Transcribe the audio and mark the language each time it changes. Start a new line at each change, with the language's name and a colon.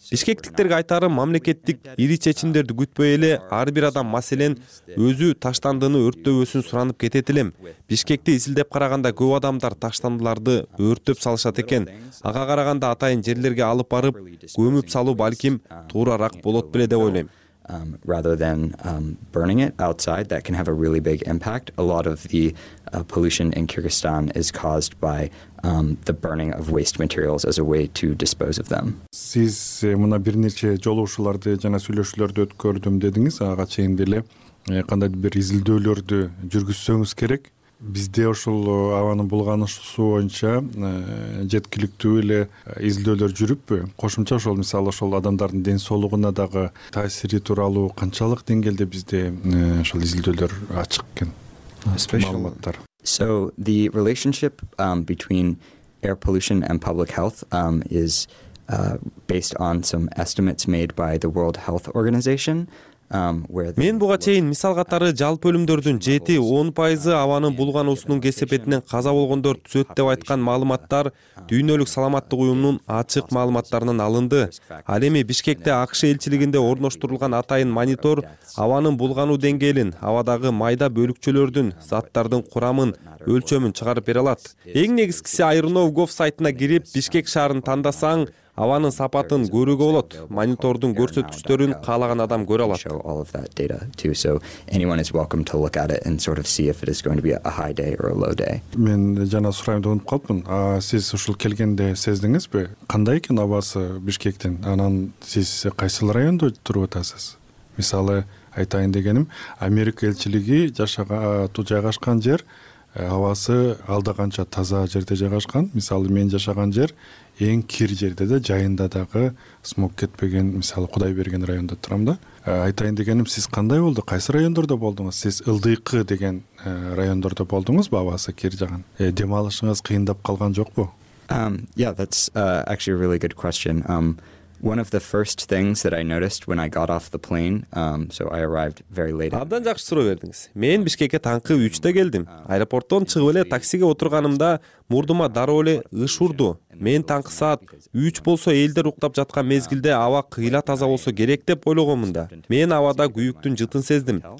Kyrgyz: Бишкектиктерге айтарым, мамлекеттик ири чечимдерди күтпөй эле ар бир адам маселен өзү таштандыны өрттөбөсүн суранып кетет элем. Бишкекти изилдеп караганда көп адамдар таштандыларды өрттөп салышат экен. Ага караганда атайын жерлерге алып барып, көмүп салуу балким туураак болот беле деп ойлойм.
English: Rather than burning it outside, that can have a really big impact. A lot of the pollution in Kyrgyzstan is caused by the burning of waste materials as a way to dispose of them.
Kyrgyz: Сиз мына бир нече жолугушууларды жана сүйлөшүүлөрдү өткөрдүм дедиңиз, ага чейин деле кандайдыр бир изилдөөлөрдү жүргүзсөңүз керек. Бизде ошол абанын булганышы боюнча жеткиликтүү эле изилдөөлөр жүрүппү? Кошумча ошол мисалы ошол адамдардын ден соолугуна дагы таасири тууралуу канчалык деңгээлде бизде ошол изилдөөлөр ачык экен? Маалыматтар.
English: So the relationship between air pollution and public health is based on some estimates made by the World Health Organization.
Kyrgyz: Мен буга чейин мисал катары жалпы өлүмдөрдүн 7-10% абанын булгануусунун кесепетинен каза болгондор түзөт деп айткан маалыматтар дүйнөлүк саламаттык уюмунун ачык маалыматтарынан алынды. Ал эми Бишкекте АКШ элчилигинде орноштурулган атайын монитор абанын булгануу деңгээлин, абадагы майда бөлүкчөлөрдүн, заттардын курамын, өлчөмүн чыгарып бере алат. Эң негизгиси Айрноу Гов сайтына кирип, Бишкек шаарын тандасаң, абанын сапатын көрүүгө болот. Монитордун көрсөткүчтөрүн каалаган адам көрө алат.
English: Show all of that data too. So anyone is welcome to look at it and sort of see if it is going to be a high day or a low day.
Kyrgyz: Мен жана сурайымды унутуп калыппын. Сиз ушул келгенде сездиңизби? Кандай экен абасы Бишкектин? Анан сиз кайсыл райондо туруп атасыз? Мисалы айтайын дегеним, Америка элчилиги жайгашкан жер абасы алда канча таза жерде жайгашкан. Мисалы мен жашаган жер эң кир жерде да жайында дагы смог кетпеген, мисалы Кудай берген райондо турам да. Айтайын дегеним, сиз кандай болду, кайсы райондордо болдуңуз? Сиз ылдыйкы деген райондордо болдуңузбу абасы кир жаган? Дем алышыңыз кыйындап калган жокпу?
English: Yeah, that's actually a really good question. One of the first things that I noticed when I got off the plane, so I arrived very late.
Kyrgyz: Абдан жакшы суроо бердиңиз. Мен Бишкекке таңкы 3'te келдим. Аэропорттон чыгып эле таксиге отурганымда мурдума дароо эле ыш урду. Мен таңкы саат 3 болсо элдер уктап жаткан мезгилде аба кыйла таза болсо керек деп ойлогонмун да. Мен абада күйүктүн жытын сездим.